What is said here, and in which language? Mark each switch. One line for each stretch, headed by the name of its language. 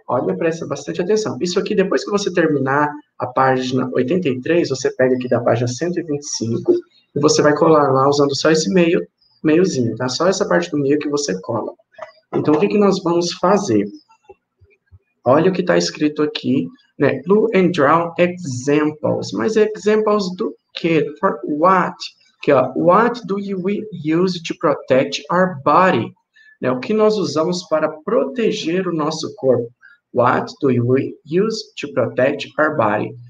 Portuguese: Olha, presta bastante atenção. Isso aqui, depois que você terminar a página 83, você pega aqui da página 125 e você vai colar lá usando só esse meiozinho, tá? Só essa parte do meio que você cola. Então, o que nós vamos fazer? Olha o que está escrito aqui, né?
English: Blue and brown examples.
Portuguese: Mas
English: examples
Portuguese: do quê?
English: For what?
Portuguese: Que, ó,
English: what do we use to protect our body?
Portuguese: Né, o que nós usamos para proteger o nosso corpo?
English: What do we use to protect our body?